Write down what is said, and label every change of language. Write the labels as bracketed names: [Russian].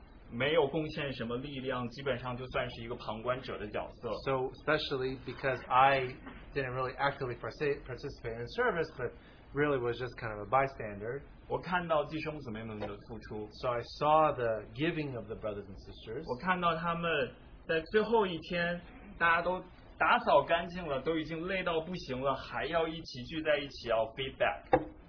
[Chinese] 没有贡献什么力量，基本上就算是一个旁观者的角色。 [English] So especially because I didn't really actively participate in service, but really was just kind of a bystander. [Chinese] 我看到弟兄姊妹们的付出。 [English] So I saw the giving of the brothers and sisters. [Chinese] 我看到他们在最后一天，大家都打扫干净了，都已经累到不行了，还要一起聚在一起要 feedback.